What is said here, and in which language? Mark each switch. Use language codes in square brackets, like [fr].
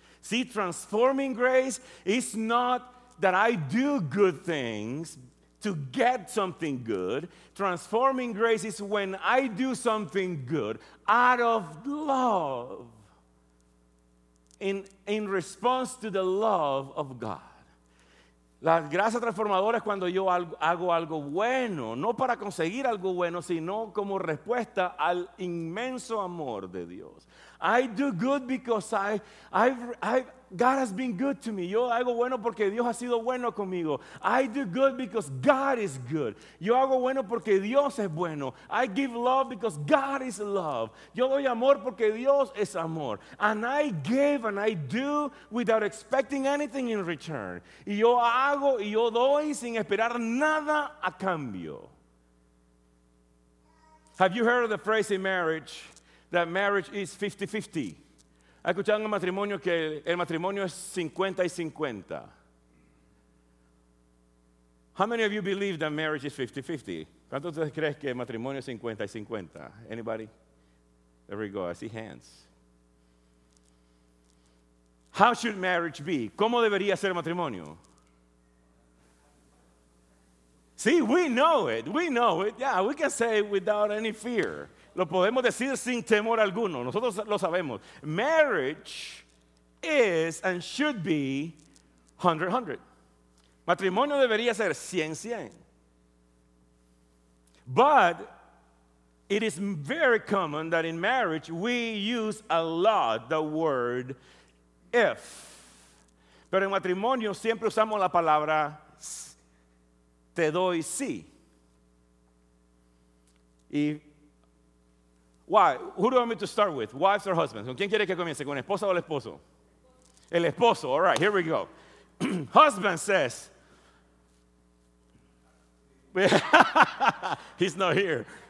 [en] See, transforming grace is not that I do good things to get something good. Transforming grace is when I do something good out of love, in response to the love of God. [es] La gracia transformadora es cuando yo hago algo bueno, no para conseguir algo bueno, sino como respuesta al inmenso amor de Dios. [en] I do good because God has been good to me. [es] Yo hago bueno porque Dios ha sido bueno conmigo. [en] I do good because God is good. [es] Yo hago bueno porque Dios es bueno. [en] I give love because God is love. [es] Yo doy amor porque Dios es amor. [en] And I give and I do without expecting anything in return. [es] Y yo hago y yo doy sin esperar nada a cambio. [en] Have you heard of the phrase in marriage that marriage is 50-50? [es] ¿Ha escuchado en el matrimonio que el matrimonio es 50-50? [en] How many of you believe that marriage is 50-50? [es] ¿Cuántos de ustedes creen que el matrimonio es 50-50? [en] Anybody? There we go, I see hands. How should marriage be? [es] ¿Cómo debería ser el matrimonio? [en] See, we know it, we know it. Yeah, we can say it without any fear. [es] Lo podemos decir sin temor alguno. Nosotros lo sabemos. [en] Marriage is and should be 100-100. [es] Matrimonio debería ser 100-100. [en] But it is very common that in marriage we use a lot the word if. [es] Pero en matrimonio siempre usamos la palabra te doy sí. [en] Y why? Who do you want me to start with? Wives or husbands? [es] ¿Con quién quiere que comience? ¿Con esposa o el esposo? El esposo. [en] All right, here we go. Husband says, he's not here.